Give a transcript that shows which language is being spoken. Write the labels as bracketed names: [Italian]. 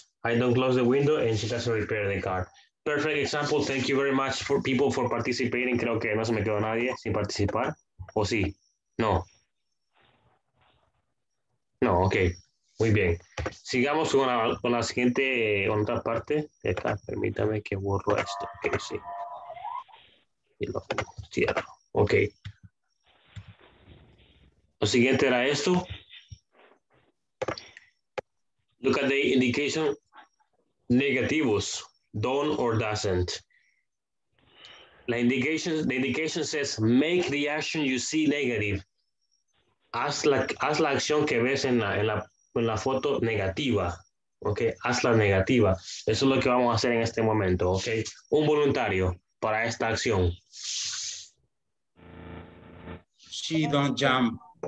[English] I don't close the window and she doesn't repair the car. Perfect example. Thank you very much for people for participating. [Spanish] Creo que no se me quedó nadie sin participar. ¿O sí? No. No, okay. Muy bien. Sigamos con la siguiente, con otra parte. Esta, permítame que borro esto. Okay, sí. Y lo cierro. Ok. Lo siguiente era esto. [English] Look at the indication. Negativos. Don't or doesn't. The indication says make the action you see negative. [Spanish] Haz la acción que ves en la, en la, en la foto negativa. Ok. Haz la negativa. Eso es lo que vamos a hacer en este momento. Ok. Un voluntario para esta acción. [English] She don't jump.